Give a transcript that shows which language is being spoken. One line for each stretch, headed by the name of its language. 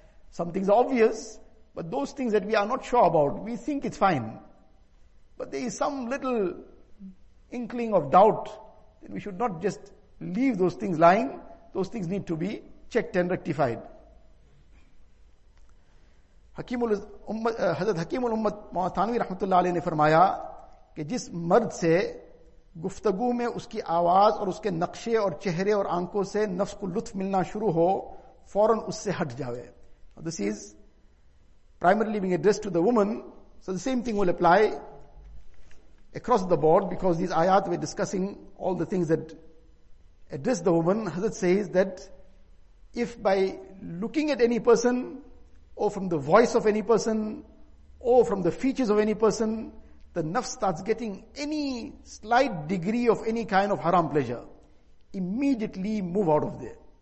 English: Some things are obvious, but those things that we are not sure about, we think it's fine. But there is some little inkling of doubt, then we should not just leave those things lying. Those things need to be checked and rectified.
Urdu: حضرت حکیم الامت تھانوی رحمت اللہ علیہ نے فرمایا کہ جس مرد سے گفتگو میں اس کی آواز اور اس کے نقشے اور چہرے اور آنکھوں سے نفس کو لطف ملنا شروع ہو فوراً اس سے ہٹ جاوے.
English: This is primarily being addressed to the woman. So the same thing will apply across the board, because these ayat were discussing all the things that address the woman. Hazrat says that if by looking at any person, or from the voice of any person, or from the features of any person, the nafs starts getting any slight degree of any kind of haram pleasure, immediately move out of there.